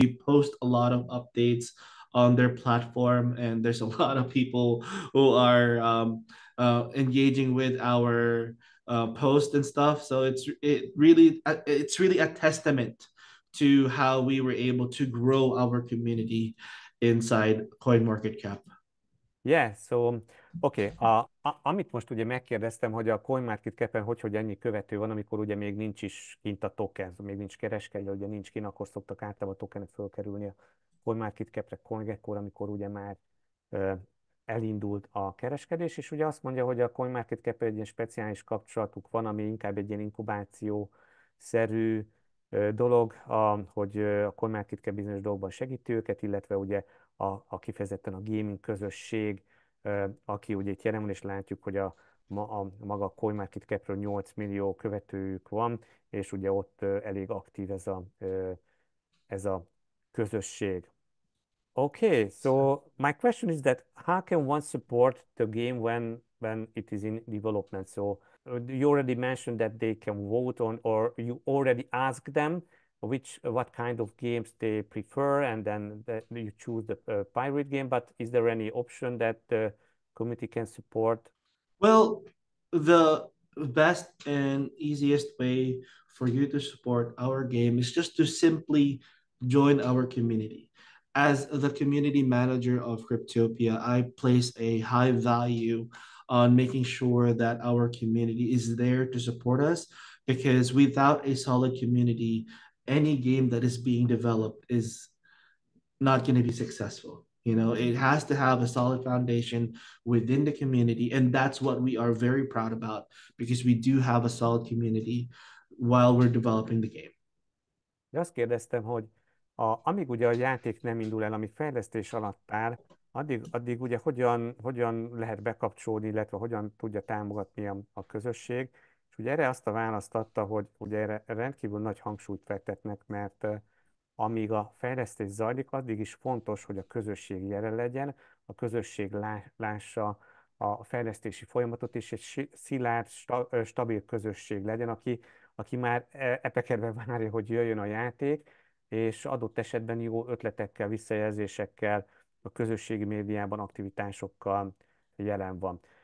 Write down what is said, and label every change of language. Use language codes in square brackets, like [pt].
[en] We post a lot of updates on their platform, and there's a lot of people who are engaging with our post and stuff. So it's really a testament to how we were able to grow our community inside CoinMarketCap. Yeah, so okay, [hu] amit most ugye megkérdeztem, hogy a CoinMarketCap-en hogy ennyi követő van, amikor ugye még nincs is kint a token, még nincs kereskedő, ugye nincs kin, akkor szoktak általában a tokenek fölkerülni a CoinMarketCap-re CoinGecko-ra, amikor ugye már elindult a kereskedés, és ugye azt mondja, hogy a CoinMarketCap-re egy ilyen speciális kapcsolatuk van, ami inkább egy ilyen inkubáció-szerű dolog, hogy a CoinMarketCap bizonyos dolgokban segíti őket, illetve ugye a kifejezetten a gaming közösség, aki ugye itt jelen van, és látjuk, hogy a maga CoinMarketCap-ről 8 millió követőjük van, és ugye ott elég aktív ez a közösség. [en] Okay, so my question is that how can one support the game when it is in development? So you already mentioned that they can vote on, or you already ask them what kind of games they prefer, and then you choose the pirate game. But is there any option that the community can support? Well, the best and easiest way for you to support our game is just to simply join our community. As the community manager of Cryptopia, I place a high value on making sure that our community is there to support us, because without a solid community, any game that is being developed is not going to be successful. You know, it has to have a solid foundation within the community. And that's what we are very proud about, because we do have a solid community while we're developing the game. [hu] Azt kérdeztem, hogy amíg ugye a játék nem indul el, ami fejlesztés alatt áll, addig ugye hogyan lehet bekapcsolni, illetve hogyan tudja támogatni a közösség. És ugye erre azt a választ adta, hogy ugye erre rendkívül nagy hangsúlyt fektetnek, mert amíg a fejlesztés zajlik, addig is fontos, hogy a közösség jelen legyen, a közösség lássa a fejlesztési folyamatot, és egy szilárd, stabil közösség legyen, aki már epekedve várja, hogy jöjjön a játék, és adott esetben jó ötletekkel, visszajelzésekkel, a közösségi médiában aktivitásokkal jelen van.